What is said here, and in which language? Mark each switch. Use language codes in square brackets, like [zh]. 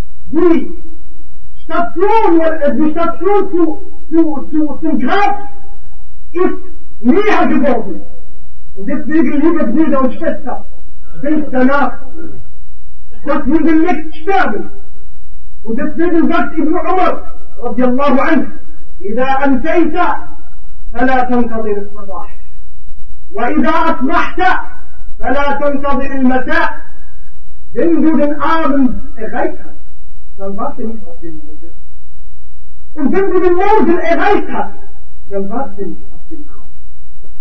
[de] Die Station, zum Grab ist näher geworden. Und deswegen, liebe Brüder und Schwestern, denkt danach, dass wir demnächst sterben. Und deswegen sagt Ibn Umar, radiallahu anhu, [ar] إذا أمسيت فلا تنتظر الصباح وإذا أصبحت فلا تنتظر المساء. [de] Wenn du den Abend erreicht hast, dann warte nicht auf den Morgen. Und wenn du den Morgen erreicht hast, dann warte nicht auf den Abend.